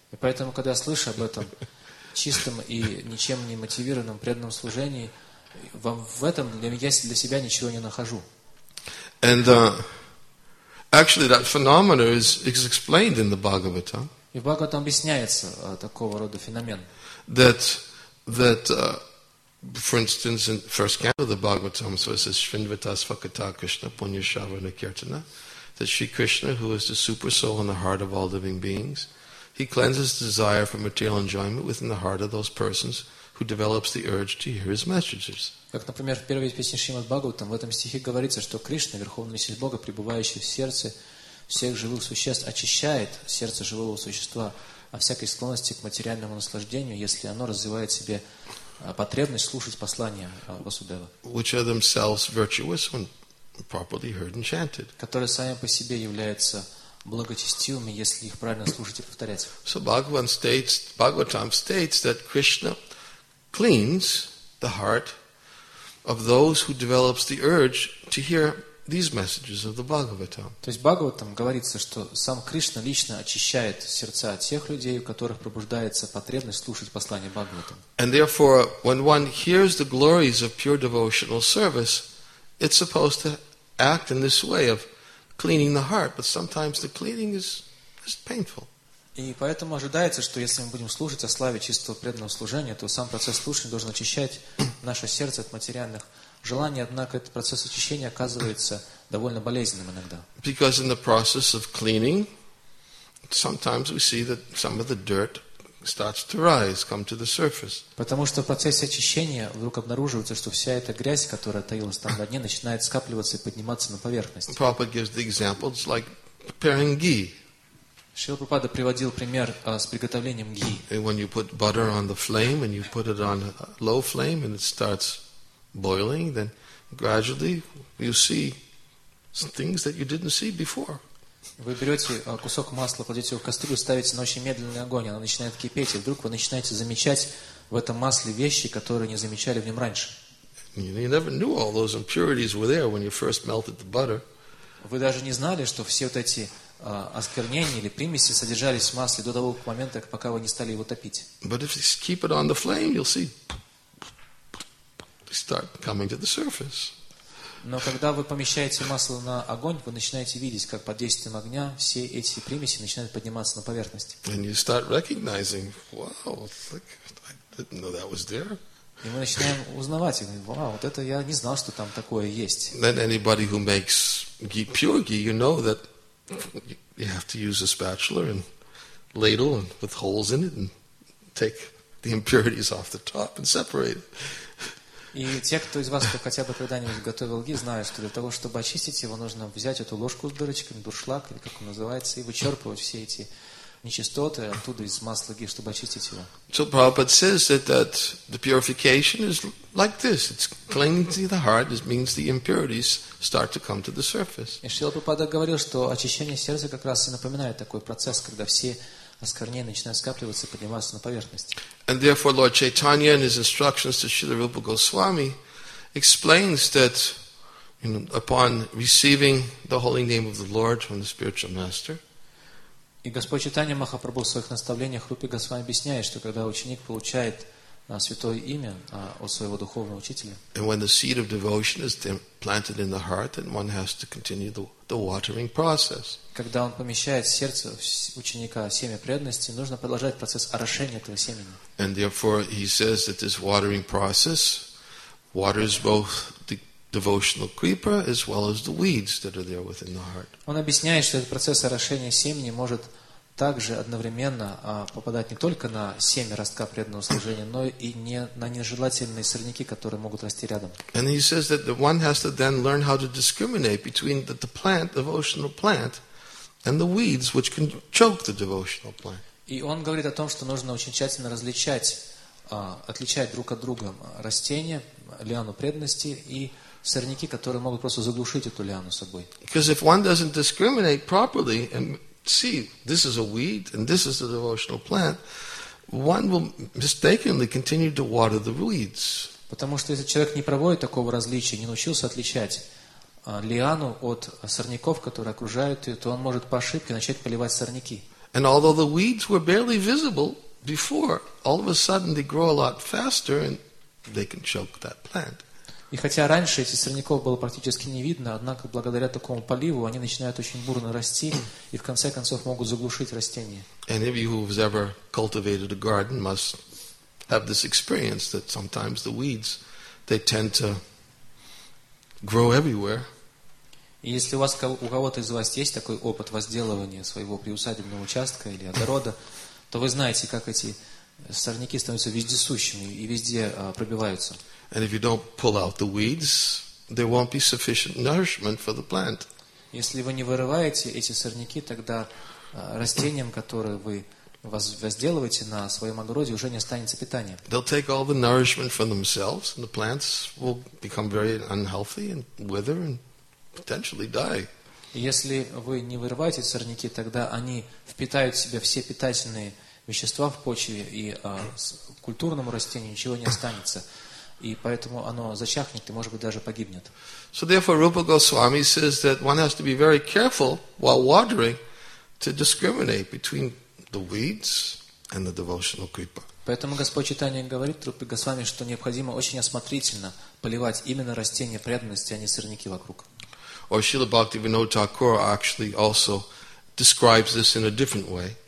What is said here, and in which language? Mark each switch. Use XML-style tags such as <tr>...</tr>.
<ru>И поэтому, когда я слышу об этом чистом и ничем не мотивированном преданном служении, в этом я для себя ничего не нахожу.</ru> <en>And actually, that phenomenon is explained in the Bhagavata.</en> <ru>И в Бхагаватам объясняется такого рода феномен.</ru> <en>For instance, in first canto of the Bhagavatam, so it says,</en> <sa>Shrinvata Svakata Krishna Punya Shavana Kirtana,</sa> <en>that Sri Krishna, who is the super soul in the heart of all living beings, he cleanses desire for material enjoyment within the heart of those persons who develops the urge to hear his messages.</en> <ru>Как, например, в первой песне Шримад Бхагаватам, в этом стихе говорится, что Кришна, Верховная Личность Бога, пребывающая в сердце всех живых существ, очищает сердце живого существа о всякой склонности к материальному наслаждению, если оно развивает в себе потребность слушать послания Васудева.</ru> <en>Which are themselves virtuous when properly heard and chanted.</en> <ru>Которые сами по себе являются благочестивыми, если их правильно слушать и повторять.</ru> <en>So Bhagavatam states that Krishna cleans the heart of those who develops the urge to hear these messages of the Bhagavatam.</en> <ru>То есть Бхагаватам говорится, что сам Кришна лично очищает сердца от тех людей, у которых пробуждается потребность слушать послания Бхагаватам.</ru> <en>And therefore, when one hears the glories of pure devotional service, it's supposed to act in this way of cleaning the heart, but sometimes the cleaning is painful.</en> <ru>И поэтому ожидается, что если мы будем служить о славе чистого преданного служения, то сам процесс слушания должен очищать наше сердце от материальных желаний. Однако этот процесс очищения оказывается довольно болезненным иногда.</ru> <en>Because in the process of cleaning, sometimes we see that some of the dirt starts to rise, come to the surface.</en> <ru>Потому что в процессе очищения вдруг обнаруживается, что вся эта грязь, которая таилась там на дне, начинает скапливаться и подниматься на поверхность.</ru> <en>Prabhupada gives the examples like preparing ghee.</en> <ru>Шрила Прабхупада приводил пример с приготовлением ги.</ru> <en>And when you put butter on the flame and you put it on a low flame and it starts boiling, then gradually you see things that you didn't see before.</en> <ru>Вы берете кусок масла, кладете его в кастрюлю, ставите на очень медленный огонь, оно начинает кипеть, и вдруг вы начинаете замечать в этом масле вещи, которые не замечали в нем раньше.</ru> <en>You never knew all those impurities were there when you first melted the butter.</en> <ru>Вы даже не знали, что все вот эти осквернения или примеси содержались в масле до того момента, пока вы не стали его топить.</ru> <en>But if you keep it on the flame, you'll see they start coming to the surface.</en> <ru>Но когда вы помещаете масло на огонь, вы начинаете видеть, как под действием огня все эти примеси начинают подниматься на поверхность.</ru> <en>And you start recognizing, wow, like, I didn't know that was there.</en> <ru>И мы начинаем узнавать, и говорим, вау, вот это я не знал, что там такое есть.</ru> <en>Then anybody who makes ghee, pure ghee, you know that you have to use a spatula and ladle and with holes in it and take the impurities off the top and separate it.</en> <ru>И те, кто из вас, кто хотя бы когда-нибудь готовил ги, знают, что для того, чтобы очистить его, нужно взять эту ложку с дырочками, дуршлаг, или как он называется, и вычерпывать все эти нечистоты оттуда из масла ги, чтобы очистить его.</ru> <en>So Prabhupada says that the purification is like this. It's cleansing the heart, it means the impurities start to come to the surface.</en> <ru>И Шрила Прабхупада говорил, что очищение сердца как раз и напоминает такой процесс, когда все оскорнения начинают скапливаться и подниматься на поверхность.</ru> <en>And therefore Lord Chaitanya in his instructions to Srila Rupa Goswami explains that, you know, upon receiving the holy name of the Lord from the spiritual master.</en> <ru>И Господь Чайтанья Махапрабху в своих наставлениях Рупе Госвами объясняет, что когда ученик получает святое имя от своего духовного учителя.</ru> <en>And when the seed of devotion is planted in the heart, then one has to continue the watering process.</en> <ru>Когда он помещает в сердце ученика семя преданности, нужно продолжать процесс орошения этого семени.</ru> <en>And therefore he says that this watering process waters both the devotional creeper as well as the weeds that are there within the heart.</en> <ru>Он объясняет, что этот процесс орошения семени может также одновременно попадать не только на семя ростка преданного служения, но и не на нежелательные сорняки, которые могут расти рядом.</ru> <en>And he says that one has to then learn how to discriminate between the plant, the devotional plant, and the weeds, which can choke the devotional plant.</en> <ru>И он говорит о том, что нужно очень тщательно отличать друг от друга растения, лиану преданности и сорняки, которые могут просто заглушить эту лиану собой.</ru> <en>Because if one doesn't discriminate properly and see, this is a weed and this is a devotional plant, one will mistakenly continue to water the weeds.</en> <ru>Потому что если человек не проводит такого различия, не научился отличать лиану от сорняков, которые окружают ее, то он может по ошибке начать поливать сорняки.</ru> <en>And although the weeds were barely visible before, all of a sudden they grow a lot faster and they can choke that plant.</en> <ru>И хотя раньше этих сорняков было практически не видно, однако благодаря такому поливу они начинают очень бурно расти и в конце концов могут заглушить растение.</ru> <en>Any of you who has ever cultivated a garden must have this experience that sometimes the weeds, they tend to grow everywhere.</en> <ru>И если у кого-то из вас есть такой опыт возделывания своего приусадебного участка или огорода, то вы знаете, как эти сорняки становятся вездесущими и везде пробиваются.</ru> <en>And if you don't pull out the weeds, there won't be sufficient nourishment for the plant.</en> <ru>Если вы не вырываете эти сорняки, тогда растениям, которые вы возделываете на своем огороде, уже не останется питания.</ru> <en>They'll take all the nourishment for themselves, and the plants will become very unhealthy and wither and potentially die.</en> <ru>Если вы не вырываете сорняки, тогда они впитают в себя все питательные вещества в почве, и культурному растению ничего не останется. И поэтому оно зачахнет и, может быть, даже погибнет.</ru> <en>So therefore, Rupa Goswami says that one has to be very careful while watering to discriminate between the weeds and the devotional creeper.</en> <ru>Поэтому Господь Чайтанья говорит Рупе Госвами, что необходимо очень осмотрительно поливать именно растения преданности, а не сорняки вокруг.</ru> <en>Or Srila Bhaktivinoda Thakur actually also describes this in a different way.</en>